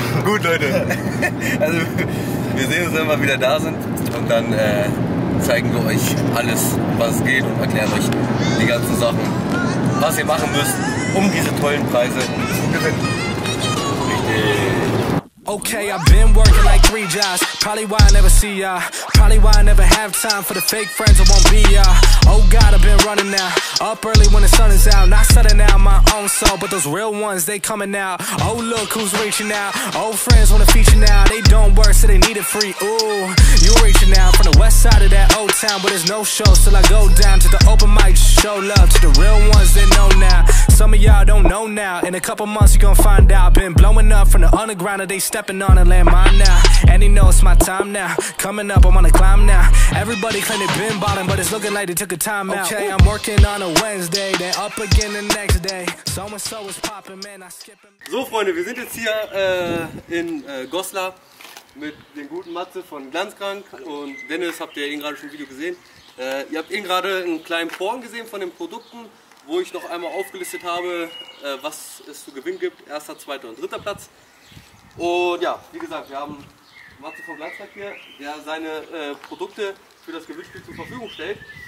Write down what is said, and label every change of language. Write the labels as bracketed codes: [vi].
[de] Gut, Leute. Also, wir sehen uns, wenn wir wieder da sind und dann zeigen wir euch alles, was es geht und erklären euch die ganzen Sachen, was ihr machen müsst, um diese tollen Preise zu gewinnen. Richtig. [en] Okay, I've been working like 3 jobs, probably why I never see ya. Probably why I never have time for the fake friends I won't be ya. Oh God, I've been running now, up early when the sun is out. Not settling out my own soul, but those real ones, they coming out. Oh look who's reaching out, old friends wanna feature now. They don't work, so they need it free, ooh. You reaching out from the west side of that old town. But there's no show, still I go down to the open mic. Show love to the real ones that know now. Some of y'all don't know now, in a couple months you gon' find out. Been blowing up from the underground, and they stepping on a landmine now. And they know it's my time now, coming up, I'm on a climb now. Everybody claim they been balling, but it's looking like they took a time out. Okay, I'm working on a Wednesday, then up again the next day. So and so is popping, man, I skip him. [de] So, Freunde, wir sind jetzt hier in Goslar mit dem guten Matze von Glanzkrank. Hallo. Und Dennis, habt ihr eben gerade schon ein Video gesehen. Ihr habt eben gerade einen kleinen Porn gesehen von den Produkten, wo ich noch einmal aufgelistet habe, was es zu gewinnen gibt. Erster, zweiter und dritter Platz. Und ja, wie gesagt, wir haben Matze von Glanzkrank hier, der seine Produkte für das Gewinnspiel zur Verfügung stellt.